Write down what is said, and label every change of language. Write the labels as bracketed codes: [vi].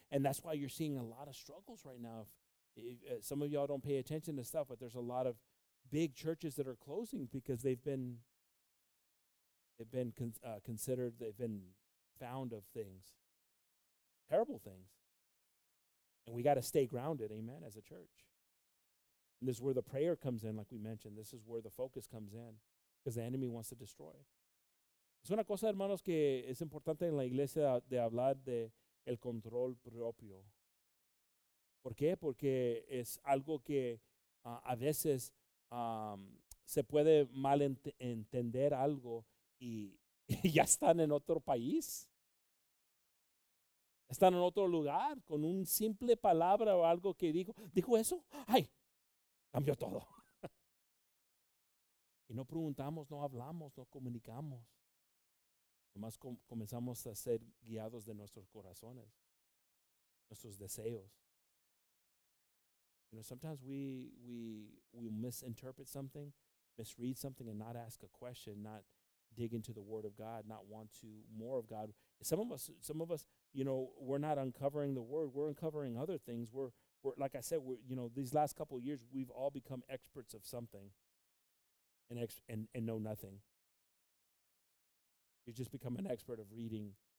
[en] And that's why you're seeing a lot of struggles right now. Some of y'all don't pay attention to stuff, but there's a lot of big churches that are closing because they've been found of things, terrible things. And we got to stay grounded, amen, as a church. And this is where the prayer comes in, like we mentioned. This is where the focus comes in because the enemy wants to destroy. [es] Es una cosa, hermanos, que es importante en la iglesia de hablar de el control propio. ¿Por qué? Porque es algo que a veces se puede mal entender algo y ya están en otro país. Están en otro lugar con un simple palabra o algo que dijo. ¿Dijo eso? ¡Ay! Cambió todo. Y no preguntamos, no hablamos, no comunicamos. Nomás comenzamos a ser guiados de nuestros corazones, nuestros deseos. [en] You know, sometimes we misinterpret something, misread something, and not ask a question, not dig into the Word of God, not want to more of God. Some of us, you know, we're not uncovering the Word. We're uncovering other things. We're like I said, we're, you know, these last couple of years, we've all become experts of something and know nothing. You just become an expert of reading